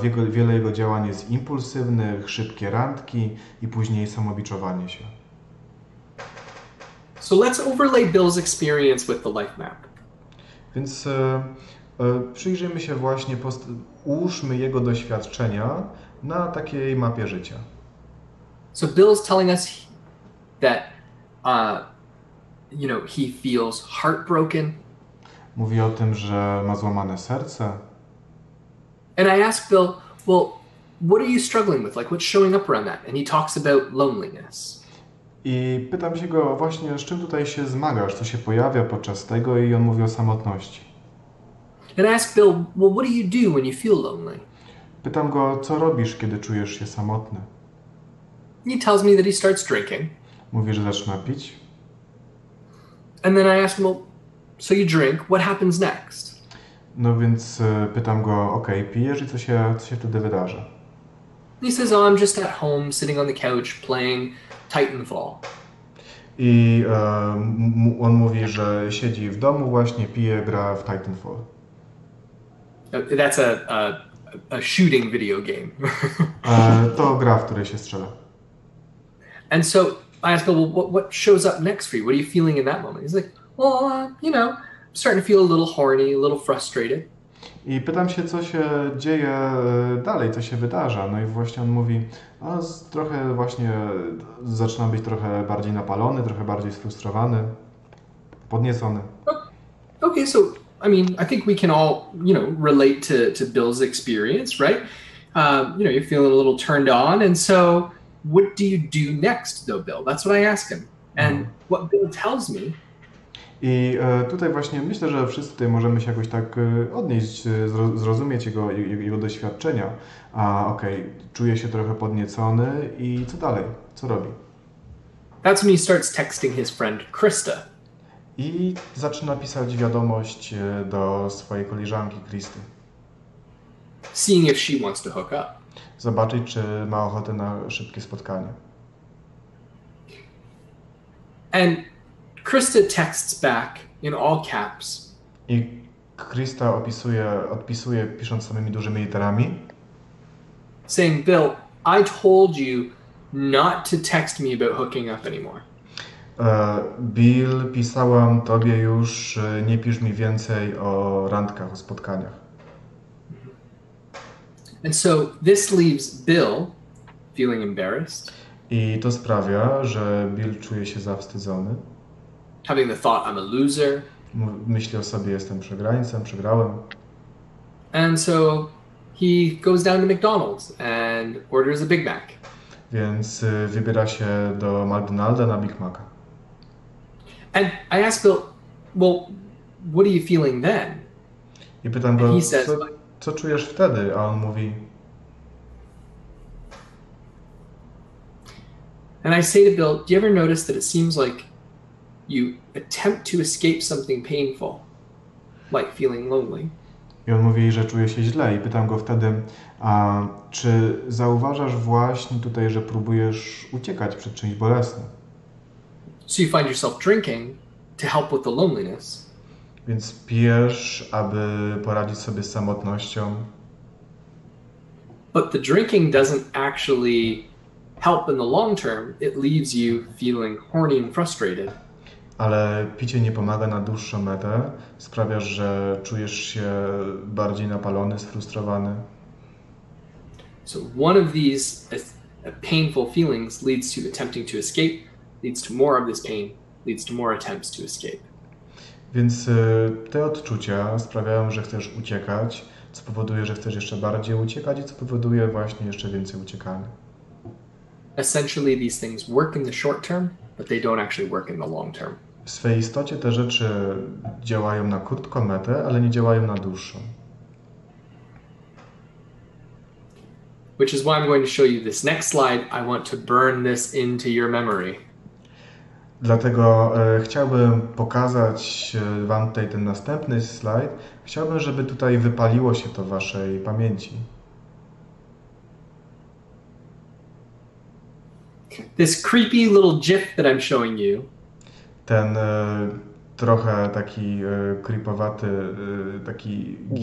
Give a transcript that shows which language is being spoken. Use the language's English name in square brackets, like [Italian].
[Polish] Wiele jego działań jest impulsywnych, szybkie randki i później samobiczowanie się. [English] So let's overlay Bill's experience with the life map. [Polish] Więc przyjrzyjmy się właśnie, ułóżmy jego doświadczenia na takiej mapie życia. [English] So Bill's telling us that you know, he feels heartbroken. [Polish] Mówi o tym, że ma złamane serce. [English] And I ask Bill, well, what are you struggling with? Like, what's showing up around that? And he talks about loneliness. [Polish] I pytam się go właśnie, z czym tutaj się zmagasz, co się pojawia podczas tego, i on mówi o samotności. [English] And I ask Bill, well, what do you do when you feel lonely? [Polish] Pytam go, co robisz, kiedy czujesz się samotny. [English] He tells me that he starts drinking. [Polish] Mówi, że zaczyna pić. [English] And then I ask him, well, so you drink, what happens next? [Polish] No więc pytam go, okej, pijesz i co się wtedy wydarza? [English] He says, oh, I'm just at home, sitting on the couch, playing Titanfall. [Polish] I on mówi, że siedzi w domu właśnie, pije, gra w Titanfall. [English] That's a shooting video game. [Polish] To gra, w której się strzela. [English] And so I ask him, well, what shows up next for you? What are you feeling in that moment? He's like, well, you know, I'm starting to feel a little horny, a little frustrated. [Polish] I pytam się, co się dzieje dalej, co się wydarza. No i właśnie on mówi, a trochę właśnie zaczyna być trochę bardziej napalony, trochę bardziej sfrustrowany, podniecony. [English] Okay, so I mean, I think we can all, you know, relate to Bill's experience, right? You know, you're feeling a little turned on. And so what do you do next, though, Bill? That's what I ask him. And what Bill tells me. [Polish] I tutaj właśnie myślę, że wszyscy tutaj możemy się jakoś tak odnieść, zrozumieć jego doświadczenia. A okej, okay, czuję się trochę podniecony i co dalej? Co robi? [English] That's when he starts texting his friend Krista. [Polish] I zaczyna pisać wiadomość do swojej koleżanki Kristy. [English] Seeing if she wants to hook up. [Polish] Zobaczyć, czy ma ochotę na szybkie spotkanie. [English] And Krista texts back in all caps. [Polish] I Krista odpisuje pisząc samymi dużymi literami. [English] Saying, Bill, I told you not to text me about hooking up anymore. [Polish] Bill, pisałam tobie już, nie pisz mi więcej o randkach, o spotkaniach. [English] And so this leaves Bill feeling embarrassed. [Polish] I to sprawia, że Bill czuje się zawstydzony. [English] Having the thought I'm a loser. [Polish] Myśli o sobie, jestem przegrańcem, przegrałem. [English] And so he goes down to McDonald's and orders a Big Mac. [Polish] Więc wybiera się do McDonalda na Big Maca. [English] And I ask Bill, well, what are you feeling then? [Polish] I pytam go, co czujesz wtedy? A on mówi... [English] And I say to Bill, do you ever notice that it seems like you attempt to escape something painful, like feeling lonely? [Polish] I on mówi, że czuje się źle. I pytam go wtedy, a czy zauważasz właśnie tutaj, że próbujesz uciekać przed czymś bolesnym? [English] So you find yourself drinking to help with the loneliness. [Polish] Więc pijesz, aby poradzić sobie z samotnością. [English] But the drinking doesn't actually help in the long term. It leaves you feeling horny and frustrated. [Polish] Ale picie nie pomaga na dłuższą metę. Sprawia, że czujesz się bardziej napalony, sfrustrowany. [English] So one of these painful feelings leads to attempting to escape. Leads to more of this pain, leads to more attempts to escape. [Polish] Więc te odczucia sprawiają, że chcesz uciekać, co powoduje, że chcesz jeszcze bardziej uciekać i co powoduje właśnie jeszcze więcej uciekania. [English] Essentially these things work in the short term, but they don't actually work in the long term. [Polish] W swej istocie te rzeczy działają na krótką metę, ale nie działają na dłuższą. [English] Which is why I'm going to show you this next slide. I want to burn this into your memory. [Polish] Dlatego chciałbym pokazać wam tutaj ten następny slajd. Chciałbym, żeby tutaj wypaliło się to w waszej pamięci. [English] This creepy little gif that I'm showing you. [Polish] Ten trochę taki creepowaty, taki